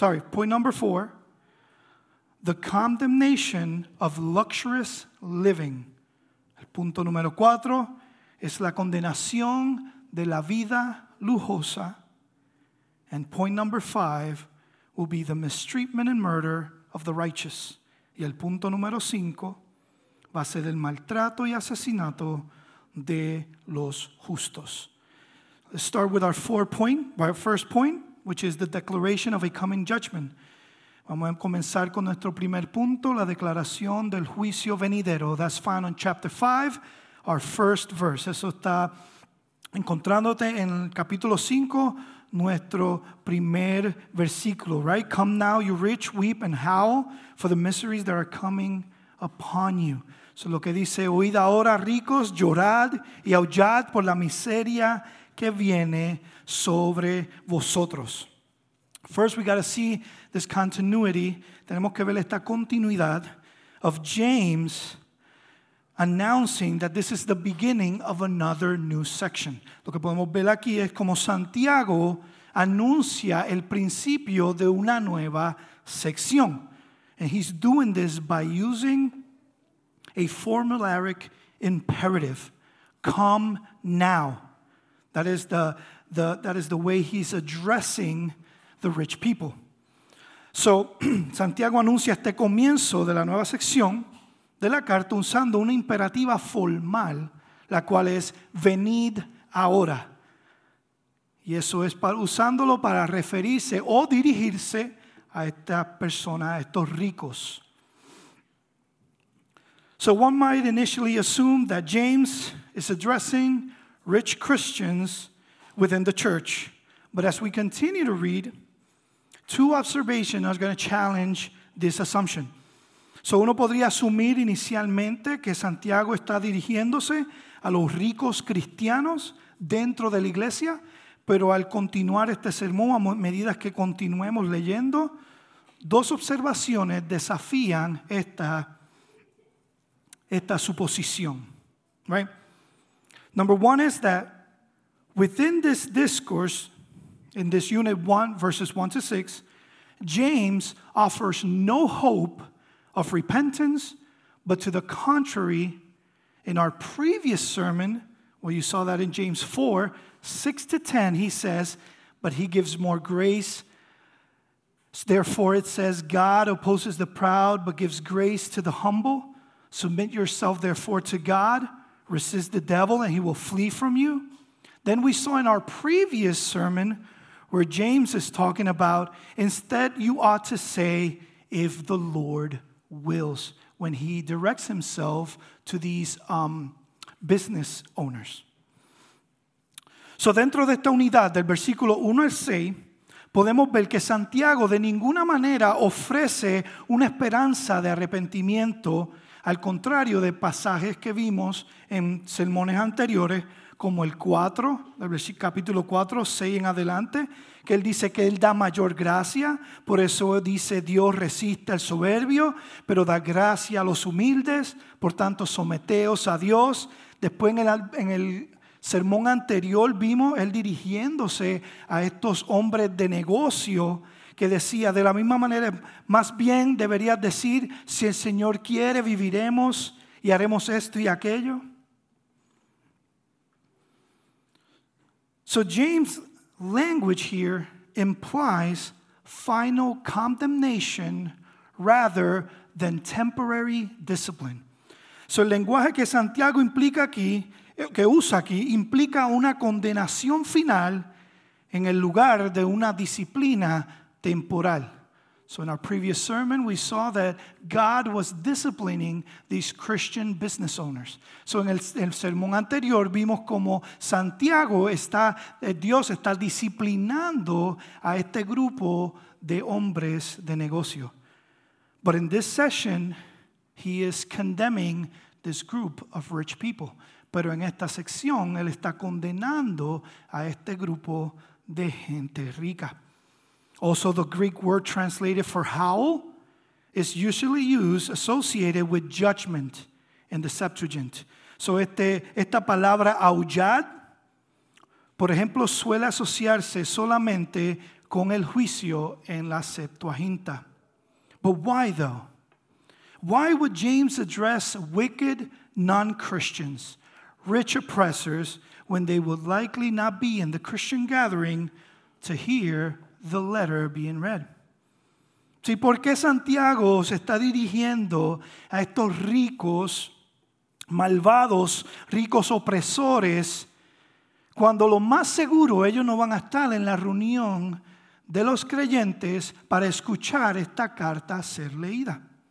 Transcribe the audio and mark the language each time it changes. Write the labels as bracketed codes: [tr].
[en] Point number four, the condemnation of luxurious living. [es] El punto número cuatro es la condenación de la vida lujosa. [en] And point number five will be the mistreatment and murder of the righteous. [es] Y el punto número cinco va a ser el maltrato y asesinato de los justos. [en] Let's start with our first point, which is the declaration of a coming judgment. [es] Vamos a comenzar con nuestro primer punto, la declaración del juicio venidero. [en] That's found in chapter 5, our first verse. [es] Eso está encontrándote en el capítulo 5, nuestro primer versículo, [en] right? Come now, you rich, weep and howl for the miseries that are coming upon you. [es] So lo que dice, oíd ahora, ricos, llorad y aullad por la miseria que viene sobre vosotros. [en] First, we got to see this continuity. [es] Tenemos que ver esta continuidad [en] of James announcing that this is the beginning of another new section. [es] Lo que podemos ver aquí es como Santiago anuncia el principio de una nueva sección. [en] And he's doing this by using a formularic imperative. Come now. That is the way he's addressing the rich people. [es] So, Santiago anuncia este comienzo de la nueva sección de la carta usando una imperativa formal, la cual es venid ahora. Y eso es usándolo para referirse o dirigirse a esta persona, a estos ricos. [en] So one might initially assume that James is addressing rich Christians within the church. But as we continue to read, 2 observations are going to challenge this assumption. [es] So uno podría asumir inicialmente que Santiago está dirigiéndose a los ricos cristianos dentro de la iglesia, pero al continuar este sermón, a medida que continuemos leyendo, 2 observaciones desafían esta suposición, [en] right? Number one is that within this discourse, in this unit 1, verses 1 to 6, James offers no hope of repentance, but to the contrary, in our previous sermon, well, you saw that in James 4, 6 to 10, he says, but he gives more grace. Therefore, it says, God opposes the proud, but gives grace to the humble. Submit yourself, therefore, to God. Resist the devil, and he will flee from you. Then we saw in our previous sermon where James is talking about, instead, you ought to say, if the Lord wills, when he directs himself to these business owners. [es] So dentro de esta unidad del versículo 1 al 6, podemos ver que Santiago de ninguna manera ofrece una esperanza de arrepentimiento, al contrario de pasajes que vimos en sermones anteriores, como el 4, el capítulo 4, 6 en adelante, que él dice que él da mayor gracia, por eso dice Dios resiste al soberbio, pero da gracia a los humildes, por tanto someteos a Dios. Después en el sermón anterior vimos él dirigiéndose a estos hombres de negocio que decía, de la misma manera, más bien deberías decir, si el Señor quiere, viviremos y haremos esto y aquello. [en] So James' language here implies final condemnation rather than temporary discipline. [es] So el lenguaje que Santiago implica aquí, que usa aquí, implica una condenación final en el lugar de una disciplina temporal. [en] So in our previous sermon, we saw that God was disciplining these Christian business owners. [es] So en el sermón anterior vimos como Santiago está, Dios está disciplinando a este grupo de hombres de negocio. [en] But in this session, he is condemning this group of rich people. [es] Pero en esta sección, él está condenando a este grupo de gente rica. [en] Also, the Greek word translated for howl is usually used associated with judgment in the Septuagint. [es] So esta palabra aullad, por ejemplo, suele asociarse solamente con el juicio en la Septuaginta. [en] But why though? Why would James address wicked non-Christians, rich oppressors, when they would likely not be in the Christian gathering to hear the letter being read? [es] Sí, ¿por qué Santiago se está dirigiendo a estos ricos, malvados, ricos opresores, cuando lo más seguro ellos no van a estar en la reunión de los creyentes para escuchar esta carta ser leída?